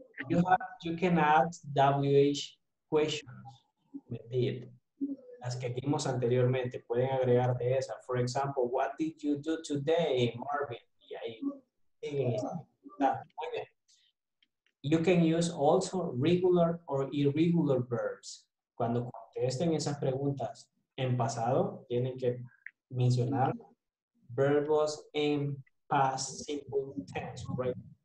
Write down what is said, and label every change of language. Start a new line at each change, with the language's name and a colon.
English: You have, you can add WH questions with did.
Spanish: Las que vimos anteriormente, pueden agregar de esa.
English: For example, what did you do today, Marvin?
Spanish: Y ahí.
English: You can use also regular or irregular verbs.
Spanish: Cuando contesten esas preguntas en pasado, tienen que mencionar verbos en past simple tense, right?